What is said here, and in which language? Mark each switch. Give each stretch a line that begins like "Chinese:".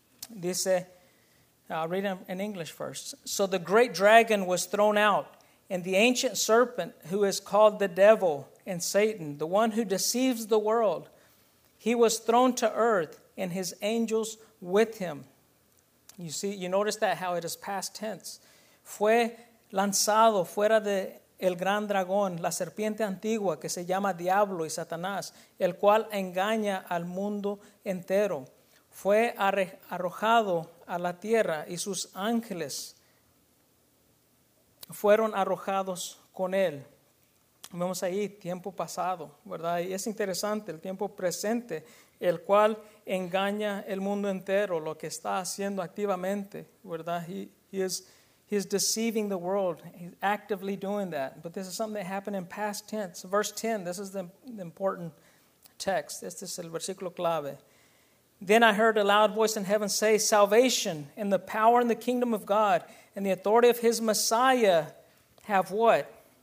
Spanish: Dice,
English: I'll read them in English first. So the great dragon was thrown out, and the ancient serpent, who is called the devil and Satan, the one who deceives the world, he was thrown to earth, and his angels with him. You see, you notice that, how it is past tense.
Spanish: Fue lanzado fuera de el gran dragón, la serpiente antigua, que se llama Diablo y Satanás, el cual engaña al mundo entero. Fue arrojado a la tierra y sus ángeles fueron arrojados con él. Vemos ahí tiempo pasado, ¿verdad? Y es interesante el tiempo presente, el cual engaña el mundo entero, lo que está haciendo activamente, ¿verdad?
English: He is deceiving the world. He's actively doing that. But this is something that happened in past tense. Verse 10, this is the important text.
Spanish: Este es el versículo clave.
English: Then I heard a loud voice in heaven say, salvation and the power and the kingdom of God and the authority of his Messiah have what?